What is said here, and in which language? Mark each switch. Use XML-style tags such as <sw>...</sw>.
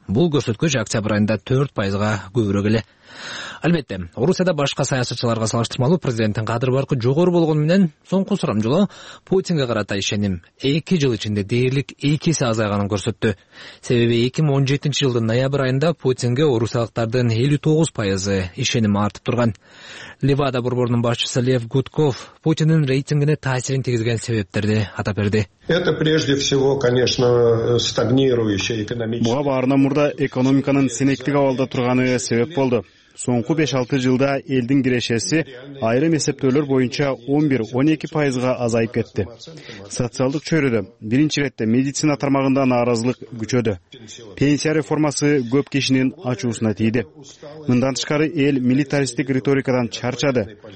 <ky>Бул көрсөткүч октябрь айында 4% көбүрөөк эле. Албетте, Орусияда башка саясатчыларга салыштырмалуу президенттин кадыр баркы жогору болгону менен соңку сурамжылоо Путинге карата ишеним 2 жыл ичинде дээрлик 2 эсе азайганын көрсөттү. Себеби 2017-жылдын ноябрь айында Путинге орусиялыктардын 59% ишеними артып турган. Левада борборунун башчысы Лев Гудков Путиндин рейтингине таасирин тийгизген себептерди атап берди.</ky> <ru>Это прежде всего, конечно, стагнирующая экономика.</ru> <ky>Буга баарынан мурда экономиканын сенектик абалда турганы себеп болду. Соңку 5-6 жылда элдин кирешеси айрым эсептөөлөр боюнча 11-12% азайып кетти. Социалдык чөйрөдө биринчи иретте медицина тармагында нааразылык күчөдү. Пенсия реформасы көп кишинин ачуусуна тийди. Мындан тышкары эл милитаристтик риторикадан чарчады.</ky>